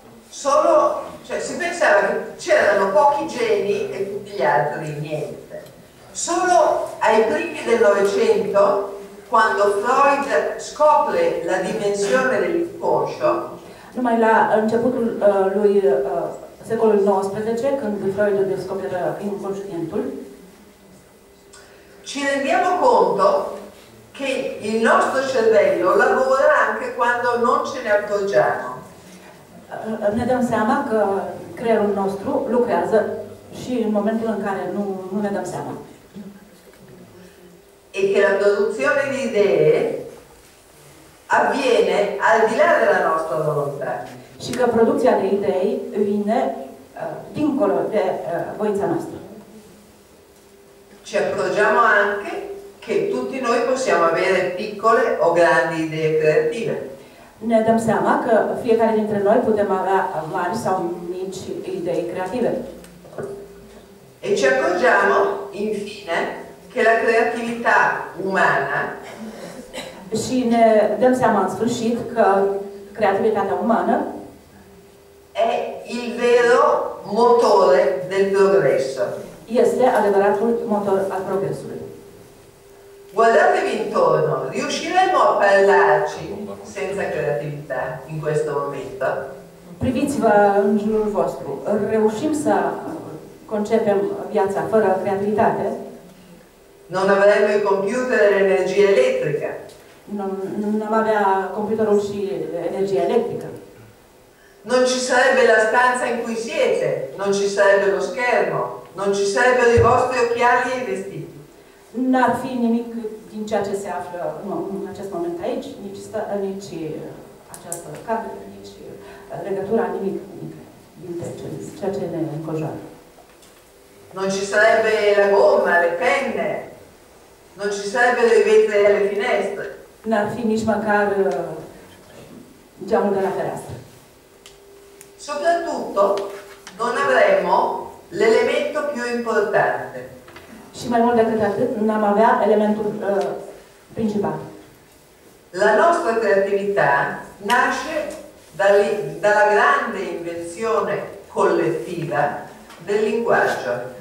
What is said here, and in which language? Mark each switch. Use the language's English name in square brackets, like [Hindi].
[Italian] Solo, cioè si pensava che c'erano pochi geni e tutti gli altri niente. Solo ai primi del Novecento, quando Freud scopre la dimensione dell'inconscio. [Romanian] Numai la începutul lui secolul XIX, când Freud descoperă inconștientul. [Italian] Ci rendiamo conto che il nostro cervello lavora anche quando non ce ne accorgiamo. [Romanian] Ne dăm seama că creierul nostru lucrează și în momentul în care nu ne dăm seama. [Italian] E che la produzione di idee avviene al di là della nostra volontà. [Romanian] Și că producția de idei vine dincolo de voința noastră. [Italian] Ci accorgiamo anche che tutti noi possiamo avere piccole o grandi idee creative. [Romanian] Ne dăm seama că fiecare dintre noi putem avea mari sau mici idei creative. [Italian] E ci accorgiamo, infine, che la creatività umana [Romanian] și ne dăm seama în sfârșit că creativitatea umană [Italian] è il vero motore del progresso. [Romanian] Este adevăratul motor al progresului. [Italian] Guardatevi intorno, riusciremo a parlarci senza creatività in questo momento? [Romanian] Priviți-vă în jurul vostru. Reușim să concepem viața fără creativitate? [Italian] Non avremmo il computer e l'energia elettrica. [Romanian] Non avea computerul și energia electrică. [Italian] Non ci sarebbe la stanza in cui siete, non ci sarebbe lo schermo, non ci sarebbero i vostri occhiali e i vestiti. [Romanian] N-ar fi nimic din ceea ce se află în acest moment aici, nici această cadă, nici legătura, nimic dintre ceea ce ne înconjoară. [Italian] Non ci sarebbe la gomma, le penne, non ci sarebbero i vetri alle finestre. [Romanian] N-ar fi nici măcar geamul de la fereastră. [Italian] Soprattutto non avremo l'elemento più importante. [Romanian] Și mai mult decât atât, n-am avea elementul principal. [Italian] La nostra creatività nasce dalla grande invenzione collettiva del linguaggio.